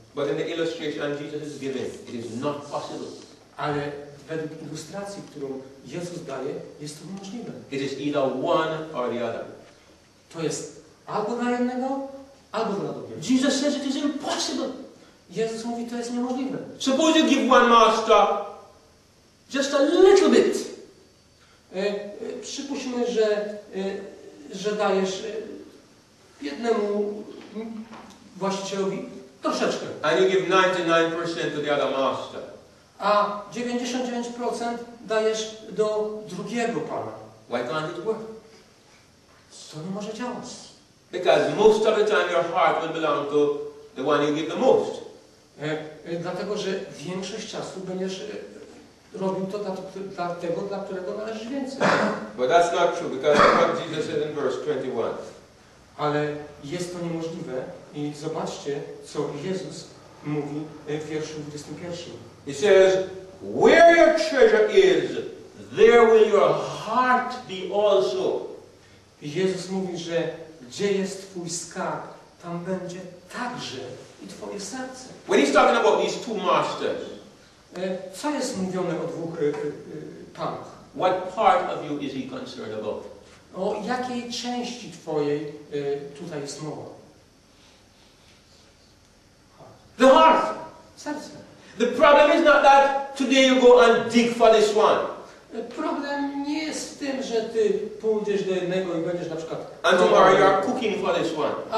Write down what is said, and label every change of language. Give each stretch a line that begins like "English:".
English: But in the illustration Jesus is giving, it is not possible.
Polish: Ale według ilustracji, którą Jezus daje, jest to niemożliwe.
English: It is either one or the other.
Polish: To jest albo dla jednego, albo dla drugiego.
English: Jesus says it is impossible.
Polish: Jezus mówi, to jest niemożliwe.
English: Suppose you give one master just a little bit.
Polish: Przypuśćmy, że dajesz jednemu właścicielowi troszeczkę.
English: And you give 99% to the other master.
Polish: A 99% dajesz do drugiego pana.
English: Why can't it work?
Polish: Co nie może działać?
English: Because most of the time your heart will belong to the one you give the most.
Polish: Dlatego, że większość czasu będziesz robił to dla tego, dla którego należy więcej.
English: But that's not true, because what Jesus said in verse 21.
Polish: Ale jest to niemożliwe i zobaczcie, co Jezus mówi w wierszu 21.
English: He says, where your treasure is, there will your heart be also.
Polish: Jezus mówi, że gdzie jest twój skarb, tam będzie także i twoje serce.
English: When he's talking about these two masters,
Polish: co jest mówione o dwóch panach?
English: What part of you is he concerned about?
Polish: O jakiej części twojej tutaj jest mowa?
English: The heart.
Polish: Serce.
English: The problem is not that today you go and dig for this one.
Polish: Problem nie jest w tym, że ty pójdziesz do jednego i będziesz na przykład.
English: And tomorrow you are cooking for this one.